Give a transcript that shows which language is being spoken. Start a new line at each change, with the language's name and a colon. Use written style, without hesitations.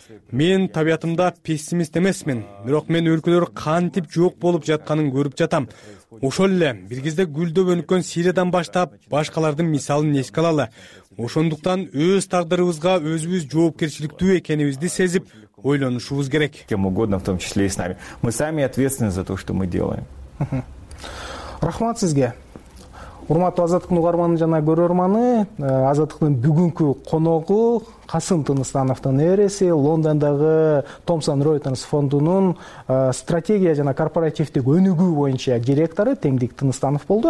Kyrgyz: Мен табиятымда пессимист эмесмин, бирок мен өлкөлөр кантип жок болуп жатканын көрүп жатам. Ошол эле бир кезде гүлдөп өнүккөн Сириядан баштап башкалардын мисалын эске алалы. Ошондуктан өз тагдырыбызга өзүбүз жоопкерчиликтүү экенибизди сезип ойлонушубуз керек.
Russian: Кем угодно, в том числе и с нами. Мы сами ответственны за то, что мы делаем.
Kyrgyz: Рахмат сизге. Урматтуу азаттыктын угарманы жана көрөрманы, азаттыктын бүгүнкү коногу Касым Тыныстановдун эбереси, Лондондогу Thomson Reuters фондунун стратегия жана корпоративдик өнүгүү боюнча директору Теңдик Тыныстанов болду.